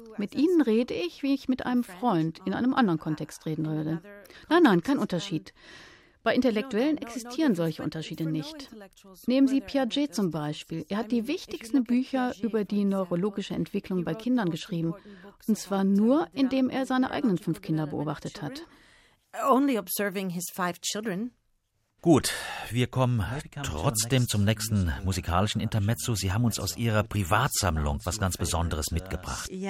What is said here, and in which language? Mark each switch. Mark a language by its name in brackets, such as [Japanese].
[German] Mit Ihnen rede ich, wie ich mit einem Freund in einem anderen Kontext reden würde. Nein, nein, kein Unterschied. Bei Intellektuellen existieren solche Unterschiede nicht. Nehmen Sie Piaget zum Beispiel. Er hat die wichtigsten Bücher über die neurologische Entwicklung bei Kindern geschrieben. Und zwar nur, indem er seine eigenen 5 Kinder beobachtet hat. [English] Only observing his 5 children. [German] Gut, wir kommen trotzdem zum nächsten musikalischen Intermezzo. Sie haben uns aus Ihrer Privatsammlung was ganz Besonderes mitgebracht.